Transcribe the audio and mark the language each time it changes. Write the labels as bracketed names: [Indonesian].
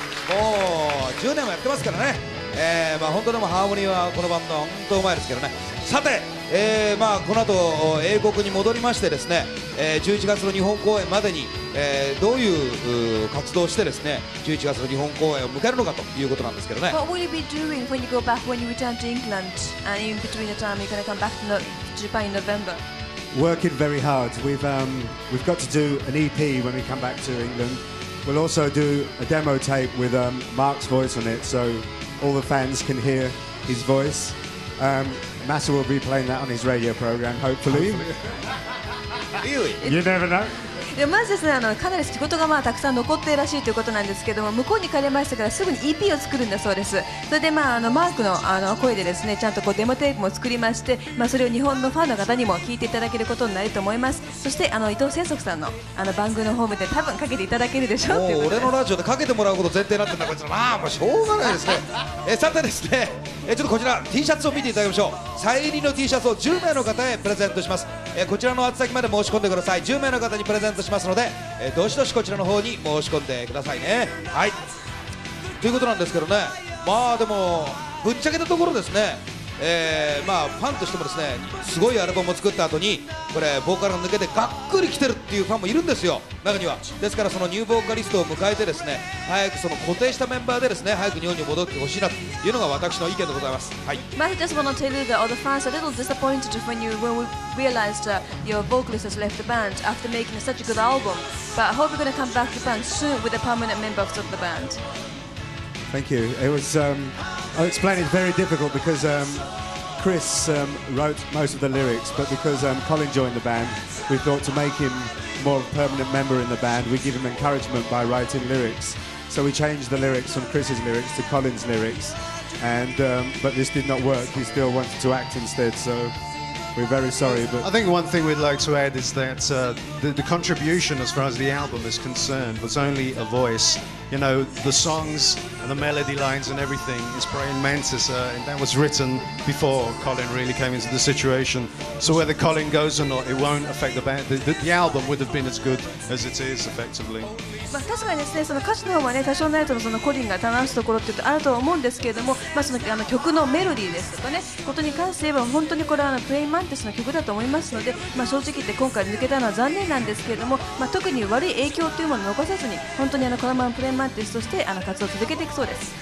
[Japanese] もう10年もやってますからね、まあ本当でもハーモニーはこのバンド本当うまいですけどね。さて、まあこの後英国に戻りましてですね、11月の日本公演までに、どういう活動をしてですね、11月の日本公演を迎えるのかということなんですけどね。 [English] What will you be doing when you go back, when you return to England, and in between the time you're going to come back to Japan in November? Working very hard. We've got to do an EP when we come back to England. We'll also do a demo tape with Mark's voice on it, so all the fans can hear his voice. Massa will be playing that on his radio program, hopefully. Really? You never know. [Japanese] でまずですね、かなり仕事がまあたくさん残っているらしいということなんですけども、向こうに帰れましたからすぐに EP を作るんだそうです。それでまあマークの声でですね、ちゃんとこうデモテープも作りまして、まあ、それを日本のファンの方にも聞いていただけることになると思います。そして伊藤清則さんの番組のホームで多分かけていただけるでしょ う, もう俺のラジオでかけてもらうこと前提になってんだこいつ。まあもうしょうがないですねさてですね、ちょっとこちら T シャツを見ていただきましょう。サイン入りの T シャツを10名の方へプレゼントします。こちらの宛先まで申し込んでください。10名の方にプレゼントしますので、どしどしこちらの方に申し込んでくださいね。はい、ということなんですけどね、まあでもぶっちゃけたところですね、まあファンとしてもですね、すごいアルバムを作った後にこれボーカルが抜けてがっくり来てるっていうファンもいるんですよ、中には。ですからそのニューボーカリストを迎えてですね、早くその固定したメンバーでですね、早く日本に戻ってほしいなというのが私の意見でございます。はい、 [English] I just want to tell you that all the fans are a little disappointed when you realized your vocalist has left the band after making such a good album, but I hope you're going to come back to the band soon with a permanent member of the band. Thank you. It was I'll explain it's very difficult because Chris wrote most of the lyrics, but because Colin joined the band, we thought to make him more of a permanent member in the band, we give him encouragement by writing lyrics. So we changed the lyrics from Chris's lyrics to Colin's lyrics, and but this did not work. He still wanted to act instead, so we're very sorry. But I think one thing we'd like to add is that the contribution as far as the album is concerned was only a voice. You know, the songs and the melody lines and everything is Praying Mantis, and that was written before Colin really came into the situation. So whether Colin goes or not, it won't affect the band. The album would have been as good as it is, effectively. [Japanese] まあ、確かにですね、その歌詞の方はね、多少なりともそのコリンが話すところってあると思うんですけれども、まあ、その曲のメロディーですとかね、ことに関して言えば本当にこれはプレインマンティスの曲だと思いますので、まあ、正直言って今回抜けたのは残念なんですけれども、まあ、特に悪い影響というものを残さずに本当にこのままプレインマンティスとして活動を続けていくそうです。